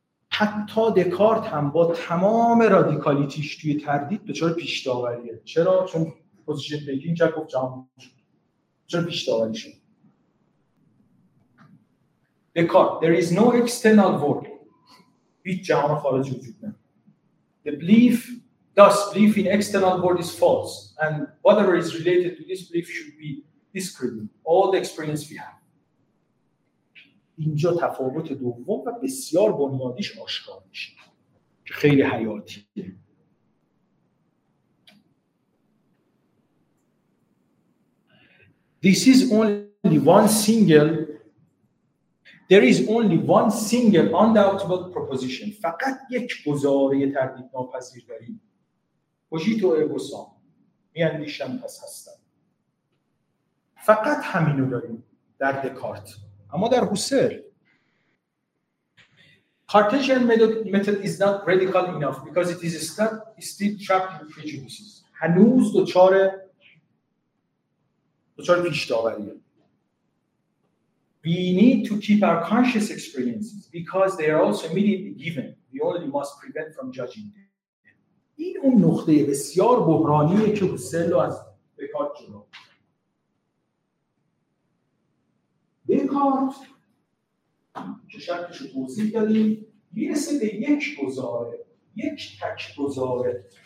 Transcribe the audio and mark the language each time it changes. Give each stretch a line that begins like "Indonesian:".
Persian: حتی دکارت هم با تمام رادیکالیتیش توی تردید دچار پیش داوریه، چرا؟ چون پوزیشن تیکینگ کرد، گفت جهان چرا پیش داوری شد؟ دکارت،
English: there is no external world،
Persian: هیچ جهان خارجی وجود نداره.
English: The belief, thus belief in external world is false and whatever is related to this belief should be discredited. All the experience we have.
Persian: اینجا تفاوت دوم و بسیار بنیادیش آشکار میشه که خیلی حیاتیه.
English: This is only one single. There is only one single undoubtable proposition.
Persian: فقط یک گزاره تردیدناپذیر داریم.
Latin: Cogito ergo sum.
Persian: میاندیشم پس هستم. فقط همینو داریم در دکارت. اما در هوسر.
English: Cartesian method is not radical enough because it is still trapped in prejudices.
Persian: هنوز دوچار پیش داوریه.
English: We need to keep our conscious experiences because they are also immediately given. We only must prevent from judging them.
Persian: این اون نقطه بسیار بحرانیه که حسل رو از دکارت جدا کرد. دکارت که شرکش رو توضیح دادیم میرسه به یک گزاره، یک تک گزاره.